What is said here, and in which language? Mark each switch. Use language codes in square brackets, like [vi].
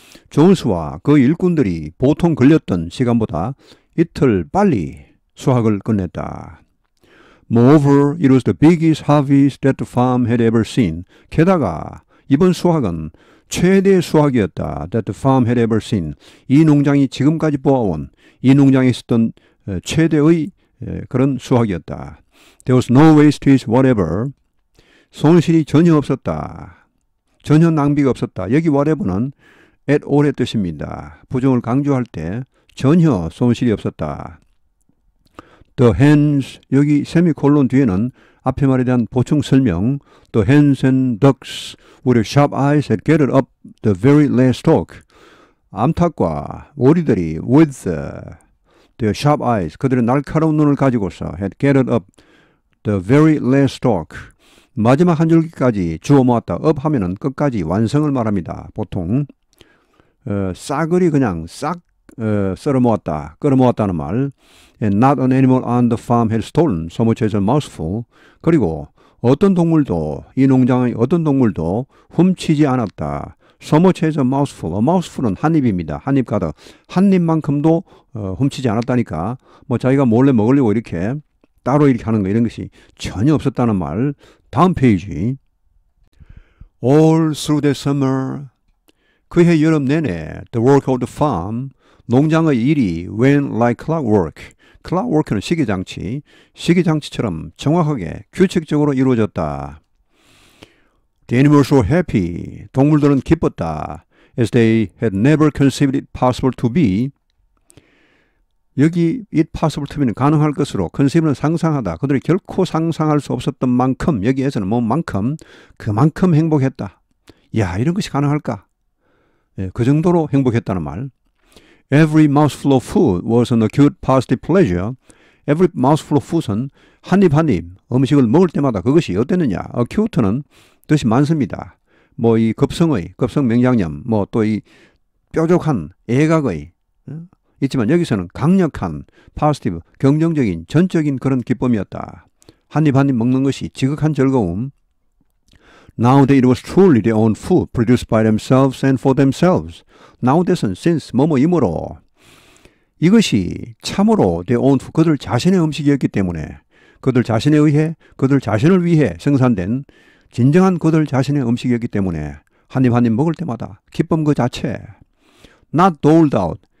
[ko] 존스와 그 일꾼들이 보통 걸렸던 시간보다 이틀 빨리 수확을 끝냈다. [en] Moreover, it was the biggest harvest that the farm had ever seen. [ko] 게다가 이번 수확은 최대 수확이었다. [en] That the farm had ever seen. [ko] 이 농장이 지금까지 보아온 이 농장에 있었던 최대의 그런 수확이었다. [en] There was no waste is whatever. [ko] 손실이 전혀 없었다. 전혀 낭비가 없었다. 여기 whatever는 at all의 뜻입니다. 부정을 강조할 때 전혀 손실이 없었다. [en] The hens, [ko] 여기 세미콜론 뒤에는 앞에 말에 대한 보충 설명. [en] The hens and ducks with sharp eyes had gathered up the very last stalk. [ko] 암탉과 오리들이 [en] with their sharp eyes, [ko] 그들의 날카로운 눈을 가지고서 [en] had gathered up the very last stalk. [ko] 마지막 한 줄기까지 주워 모았다. up 하면은 끝까지 완성을 말합니다. 보통. 싸그리 그냥 싹 썰어 모았다, 끌어 모았다는 말. [en] And not an animal on the farm had stolen so much as a mouthful. [ko] 그리고 어떤 동물도, 이 농장의 어떤 동물도 훔치지 않았다. [en] So much as a mouthful. [ko] A mouthful은 한 입입니다. 한 입 가득. 한 입만큼도 훔치지 않았다니까. 뭐 자기가 몰래 먹으려고 이렇게 따로 이렇게 하는 거 이런 것이 전혀 없었다는 말. 다음 페이지. [en] All through the summer. [ko] 그해 여름 내내 [en] the work of the farm, [ko] 농장의 일이 [en] went like clockwork. [ko] clockwork는 시계장치, 시계장치처럼 정확하게 규칙적으로 이루어졌다. [en] The animals were happy. [ko] 동물들은 기뻤다. [en] As they had never conceived it possible to be. [ko] 여기 it possible to be는 가능할 것으로, conceive는 상상하다. 그들이 결코 상상할 수 없었던 만큼, 여기에서는 뭐 만큼, 그만큼 행복했다. 야, 이런 것이 가능할까? 예, 그 정도로 행복했다는 말. [en] Every mouthful of food was an acute positive pleasure. Every mouthful of food [ko] 은 한 입 한 입 음식을 먹을 때마다 그것이 어땠느냐. Acute는 뜻이 많습니다. 뭐 이 급성의, 급성 맹장염, 뭐 또 이 뾰족한 애각의, 있지만 여기서는 강력한 positive, 긍정적인, 전적인 그런 기쁨이었다. 한 입 한 입 먹는 것이 지극한 즐거움. [en] Now that it was truly their own food produced by themselves and for themselves. [ko] Now that은 since, 뭐뭐이므로. 이것이 참으로 their own food, 그들 자신의 음식이었기 때문에, 그들 자신에 의해, 그들 자신을 위해 생산된 진정한 그들 자신의 음식이었기 때문에 한 입 한 입 먹을 때마다 기쁨 그 자체. [en] Not doled out.